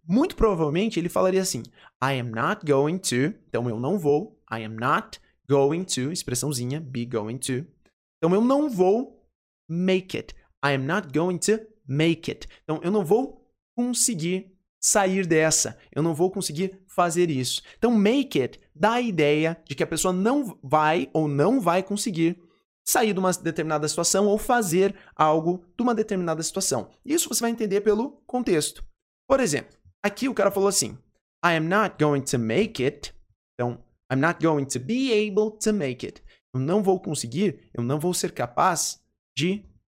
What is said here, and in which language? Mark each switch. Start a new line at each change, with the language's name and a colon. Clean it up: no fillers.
Portuguese: Muito provavelmente ele falaria assim,
English: I am not going to,
Portuguese: então eu não vou, I am not going to, expressãozinha,
English: be going to,
Portuguese: então eu não vou
English: make it, I am not going to make it,
Portuguese: então eu não vou conseguir sair dessa, eu não vou conseguir fazer isso. Então make it dá a ideia de que a pessoa não vai ou não vai conseguir sair de uma determinada situação ou fazer algo de uma determinada situação. Isso você vai entender pelo contexto. Por exemplo, aqui o cara falou assim,
English: I am not going to make it.
Portuguese: Então,
English: I'm not going to be able to make it.
Portuguese: Eu não vou conseguir, eu não vou ser capaz de...